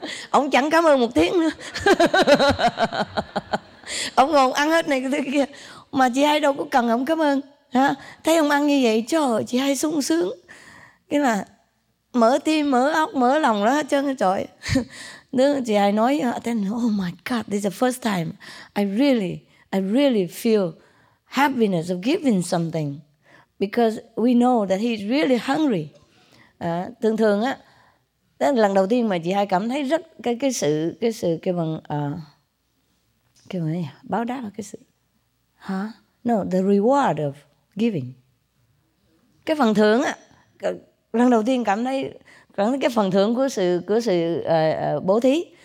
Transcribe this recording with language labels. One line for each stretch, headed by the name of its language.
Vietnamese: Ông chẳng cảm ơn một tiếng nữa. Ông ngồi ăn hết này tới kia, mà chị Hai đâu có cần ông cảm ơn. Hả? Thấy ông ăn như vậy, trời ơi, chị Hai sung sướng. Cái là mở tim, mở óc, mở lòng đó hết trơn, trời. Nếu chị Hai nói,
English: then, oh my God, this is the first time I really feel happiness of giving something. Because we know that he's really hungry.
Vietnamese: À, thường thường á, đó là lần đầu tiên mà chị Hai cảm thấy rất cái sự kêu bằng kêu bằng báo đáp cái sự hả? Huh?
English: No, the reward of giving.
Vietnamese: Cái phần thưởng á, lần đầu tiên cảm thấy cái phần thưởng của sự bố thí.